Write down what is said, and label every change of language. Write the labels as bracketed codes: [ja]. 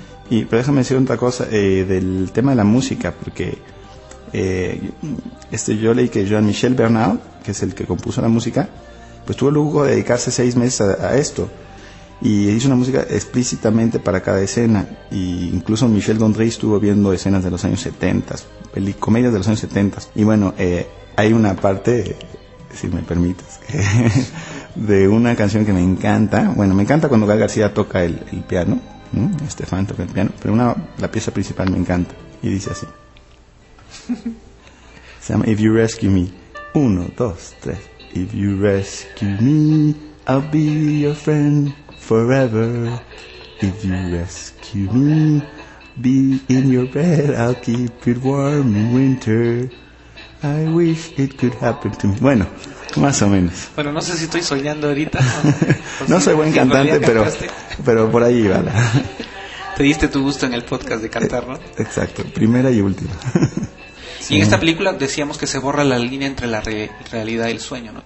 [es] Y pero déjame decir otra cosa del tema de la música, porque yo leí que Jean-Michel Bernard, que es el que compuso la música, pues tuvo el lujo de dedicarse 6 meses a esto, y hizo una música explícitamente para cada escena, e incluso Michel Gondry estuvo viendo escenas de los años 70, comedias de los años 70, y bueno, hay una parte, si me permites, de una canción que me encanta. Bueno, me encanta cuando Gael García toca el piano, Estefan toca el piano, pero la pieza principal me encanta, y dice así. Se llama If You Rescue Me. 1, 2, 3. [en] If you rescue me, I'll be your friend forever. If you rescue me, Be in your bed, I'll keep it warm in winter. I wish it could happen to me. [es] Bueno, más o menos. Bueno, no sé si estoy soñando ahorita. No soy buen cantante, pero por ahí va. Te diste tu gusto en el podcast de cantar, ¿no? Exacto, primera y última. Sí. Y en esta película decíamos que se borra la línea entre la realidad y el sueño, ¿no?